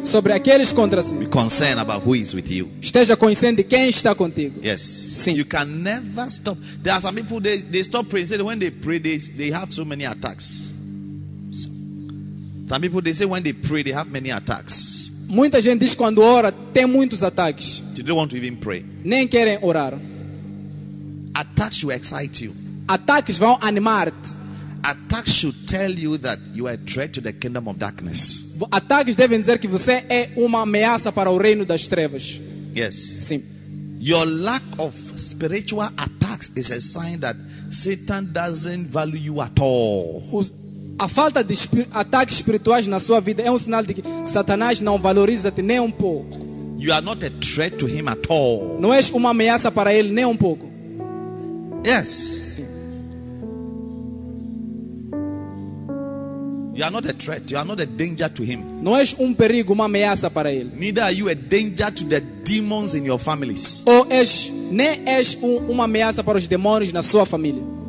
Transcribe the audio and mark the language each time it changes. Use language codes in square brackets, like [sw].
[pt] Sobre aqueles contra si. [en] Be concerned about who is with you. [pt] Esteja consciente quem está contigo. [en] Yes. [pt] Sim. [en] You can never stop. There are some people they stop praying. They say when they pray they have so many attacks. Some people they say when they pray they have many attacks. [pt] Muita gente diz quando ora tem muitos ataques. [en] They don't want to even pray. [pt] Nem querem orar. [en] Attacks will excite you. [pt] Ataques vão animar-te. [en] Attacks should tell you that you are a threat to the kingdom of darkness. [pt] Ataques devem dizer que você é uma ameaça para o reino das trevas. [en] Yes. [pt] Sim. [en] Your lack of spiritual attacks is a sign that Satan doesn't value you at all. [pt] A falta de ataques espirituais na sua vida é um sinal de que Satanás não valoriza-te nem um pouco. [en] You are not a threat to him at all. [pt] Não és uma ameaça para ele nem um pouco. [en] Yes. [pt] Sim. [en] You are not a threat. You are not a danger to him. [pt] Não és perigo, uma ameaça para ele. [en] Neither are you a danger to the demons in your families. [pt] Ou és, nem és uma ameaça para os demônios na sua família.